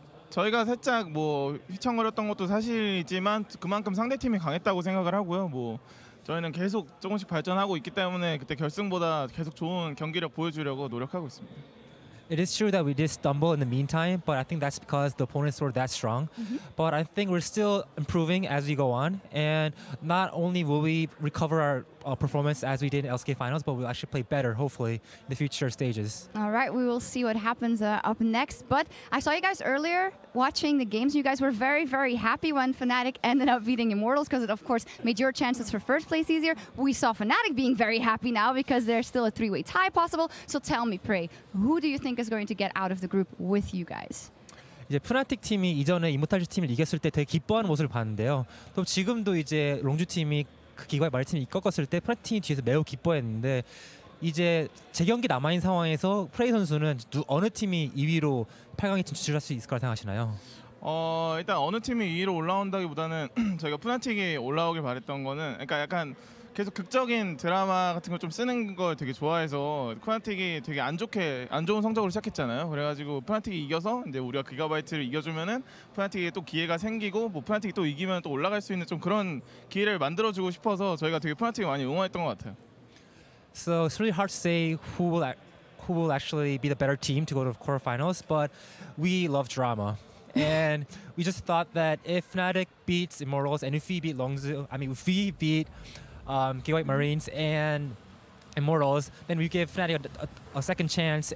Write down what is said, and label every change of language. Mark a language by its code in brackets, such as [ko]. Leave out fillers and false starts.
[ko] 저희가 살짝 뭐 휘청거렸던 것도 사실이지만 그만큼 상대 팀이 강했다고 생각을 하고요. 뭐 저희는 계속 조금씩 발전하고 있기 때문에 그때 결승보다 계속 좋은 경기력 보여주려고 노력하고 있습니다. [en] It is true that we did stumble in the meantime, but I think that's because the opponents were that strong. Mm-hmm. But I think we're still improving as we go on. And not only will we recover our performance as we did in LCK Finals, but we'll actually play better, hopefully, in the future stages. All right, we will see what happens up next. But I saw you guys earlier watching the games. You guys were very, very happy when Fnatic ended up beating Immortals because it, of course, made your chances for first place easier. We saw Fnatic being very happy now because there's still a three-way tie possible. So tell me, Prey, who do you think is going to get out of the group with you guys? [ko] 이제 프나틱 팀이 이전에 이모탈즈 팀을 이겼을 때 되게 기뻐하는 모습을 봤는데요. 또 지금도 이제 롱주 팀이 그 기가의 마리 팀이 꺾었을 때 프나틱 팀이 뒤에서 매우 기뻐했는데 이제 제 경기 남아있는 상황에서 프레이 선수는 어느 팀이 2위로 8강에 진출할 수 있을 거라 생각하시나요? 일단 어느 팀이 2위로 올라온다기보다는 저희가 프나틱이 올라오길 바랬던 거는 그러니까 약간 계속 극적인 드라마 같은 걸 좀 쓰는 걸 되게 좋아해서 프나틱이 되게 안 좋은 성적으로 시작했잖아요. 그래가지고 프나틱이 이겨서 이제 우리가 기가바이트를 이겨주면은 프나틱이 또 기회가 생기고 뭐 프나틱이 또 이기면 또 올라갈 수 있는 좀 그런 기회를 만들어주고 싶어서 저희가 되게 프나틱이 많이 응원했던 것 같아요. [en] So it's really hard to say who will actually be the better team to go to the quarterfinals, but we love drama. And we just thought that if Fnatic beats Immortals and if we beat GIGABYTE Marines and Immortals, then we give Fnatic a second chance.